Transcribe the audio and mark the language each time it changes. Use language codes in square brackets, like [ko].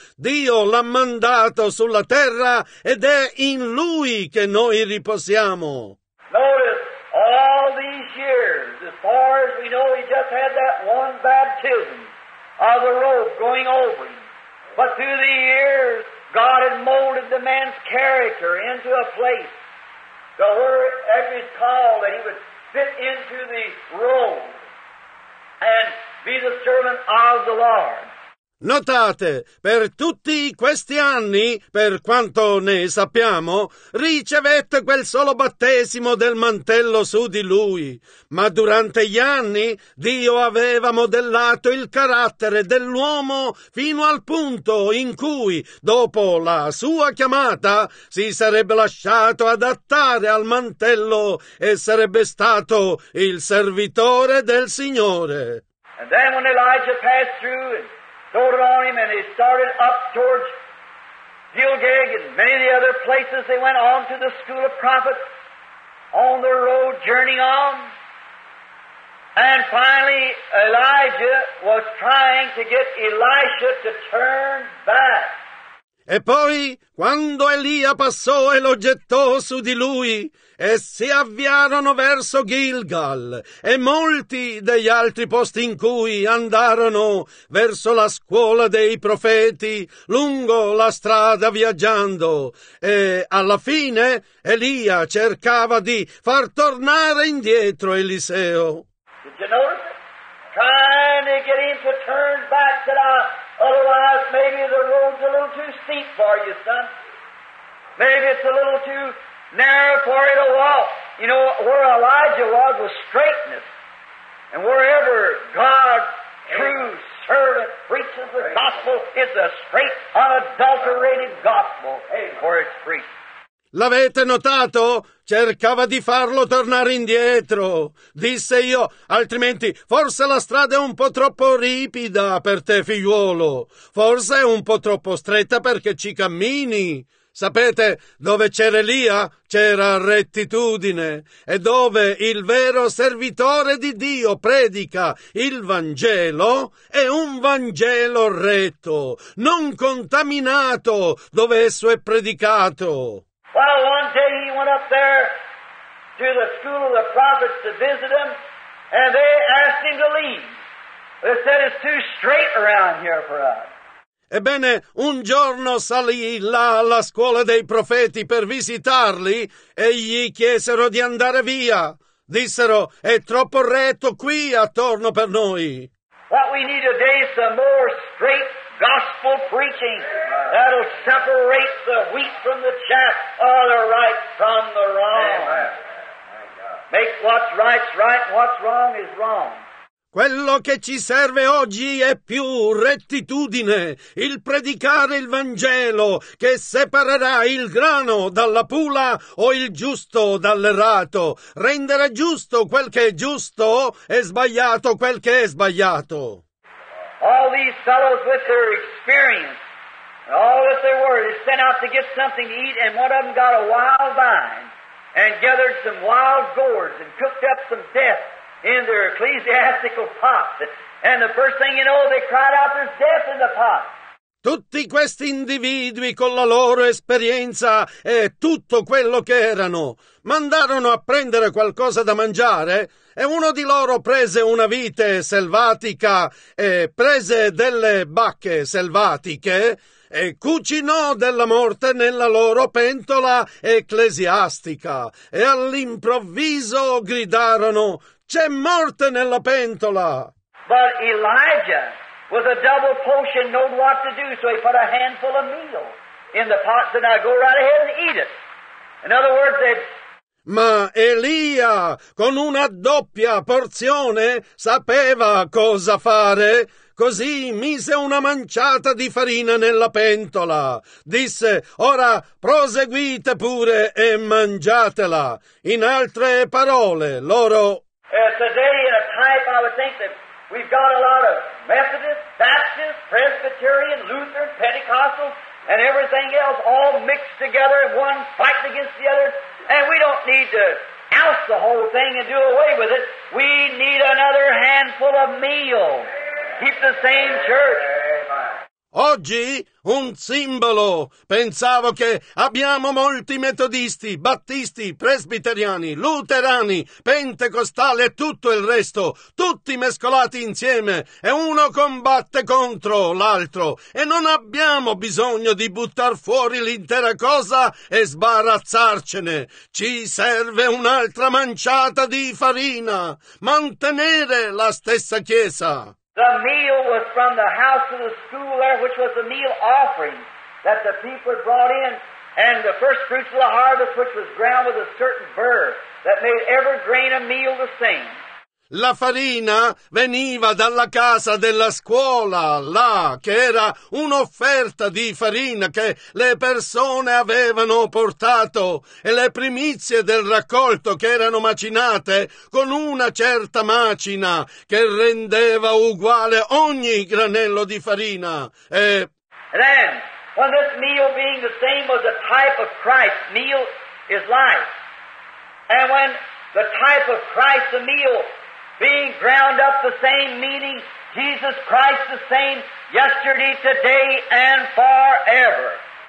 [it] Dio l'ha mandato sulla terra ed è in Lui che noi riposiamo. [en] All these years, as far as we know, He just had that one baptism of the robe going over Him. But through the years, God had molded the man's character into a place to where every call that he would fit into the robe and be the servant of the Lord. [it] Notate, per tutti questi anni, per quanto ne sappiamo, ricevette quel solo battesimo del mantello su di lui. Ma durante gli anni Dio aveva modellato il carattere dell'uomo fino al punto in cui, dopo la sua chiamata, si sarebbe lasciato adattare al mantello e sarebbe stato il servitore del Signore. [en] And then when Elijah passed through and doted on him and he started up towards Gilgag and many of the other places, they went on to the school of prophets on their road, journeying on. And finally, Elijah was trying to get Elisha to turn back. [it] E poi, quando Elia passò e lo gettò su di lui, e si avviarono verso Gilgal, e molti degli altri posti in cui andarono verso la scuola dei profeti, lungo la strada viaggiando, e alla fine Elia cercava di far tornare indietro Eliseo. [en] Did you notice it? Trying to get him to turn back to the... Otherwise, maybe the road's a little too steep for you, son. Maybe it's a little too narrow for you to walk. You know, where Elijah was straightness. And wherever God's true servant preaches the gospel, it's a straight, unadulterated gospel where it's preached. [it] L'avete notato? Cercava di farlo tornare indietro. Disse io, altrimenti forse la strada è un po' troppo ripida per te, figliuolo. Forse è un po' troppo stretta perché ci cammini. Sapete, dove c'era Elia, c'era rettitudine. E dove il vero servitore di Dio predica il Vangelo, è un Vangelo retto, non contaminato dove esso è predicato. [en] Well, one day he went up there to the school of the prophets to visit them, and they asked him to leave. They said, it's too straight around here for us. [it] Ebbene, un giorno salì là alla scuola dei profeti per visitarli, e gli chiesero di andare via. Dissero, è troppo retto qui attorno per noi. [en] What we need today is some more straight gospel preaching that'll separate the wheat from the chaff, or the right from the wrong. Make what's right right, what's wrong is wrong. [it] Quello che ci serve oggi è più rettitudine, il predicare il Vangelo che separerà il grano dalla pula o il giusto dall'errato, rendere giusto quel che è giusto e sbagliato quel che è sbagliato. [en] All these fellows with their experience, all that they were, they sent out to get something to eat, and one of them got a wild vine and gathered some wild gourds and cooked up some death in their ecclesiastical pot. And the first thing you know, they cried out, there's death in the pot. [it] Tutti questi individui con la loro esperienza e tutto quello che erano mandarono a prendere qualcosa da mangiare e uno di loro prese una vite selvatica e prese delle bacche selvatiche e cucinò della morte nella loro pentola ecclesiastica e all'improvviso gridarono «C'è morte nella pentola!» [en] But Elijah... With a double potion, knowed what to do, so he put a handful of meal in the pot, and I go right ahead and eat it. In other words, they'd... [it] Ma Elia, con una doppia porzione, sapeva cosa fare. Così mise una manciata di farina nella pentola. Disse, ora proseguite pure e mangiatela. In altre parole, loro... [en] Today, in a type, I would think that... We've got a lot of Methodists, Baptists, Presbyterians, Lutherans, Pentecostals, and everything else all mixed together, one fighting against the other. And we don't need to oust the whole thing and do away with it. We need another handful of meal. Keep the same church. [it] Oggi un simbolo. Pensavo che abbiamo molti metodisti, battisti, presbiteriani, luterani, pentecostali e tutto il resto, tutti mescolati insieme e uno combatte contro l'altro e non abbiamo bisogno di buttar fuori l'intera cosa e sbarazzarcene. Ci serve un'altra manciata di farina, mantenere la stessa chiesa. [en] The meal was from the house of the school there, which was the meal offering that the people had brought in. And the first fruits of the harvest, which was ground with a certain burr, that made every grain of meal the same. [it] La farina veniva dalla casa della scuola, là, che era un'offerta di farina che le persone avevano portato, e le primizie del raccolto che erano macinate con una certa macina che rendeva uguale ogni granello di farina. E [en] then, when this meal being the same was a type of Christ, meal is life. And when the type of Christ, the meal, being ground up the same, meaning Jesus Christ the same yesterday, today and forever.